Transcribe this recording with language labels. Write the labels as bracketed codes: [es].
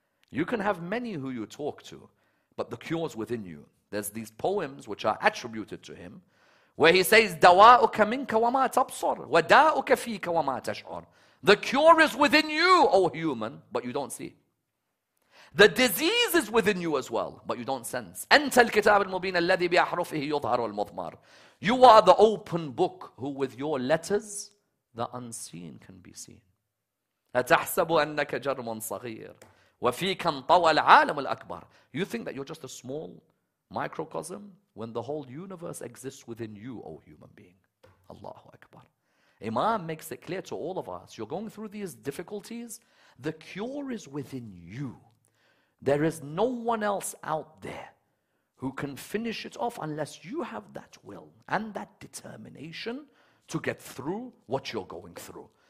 [en] You can have many who you talk to, but the cure is within you. There's these poems which are attributed to him where he says, [ar] دَوَاءُكَ مِنْكَ وَمَا تَبْصُرُ وَدَاءُكَ فِيكَ وَمَا تَشْعُرُ. [en] The cure is within you, O human, but you don't see. The disease is within you as well, but you don't sense. [ar] أنت الكتاب المبين الذي بأحرفه يظهر المضمار. [en] You are the open book who with your letters, the unseen can be seen. [ar] أتحسب أنك جرم صغير وفيك انطوى العالم الأكبر. [en] You think that you're just a small microcosm when the whole universe exists within you, O human being. Allahu Akbar. Imam makes it clear to all of us, you're going through these difficulties, the cure is within you. There is no one else out there who can finish it off unless you have that will and that determination to get through what you're going through.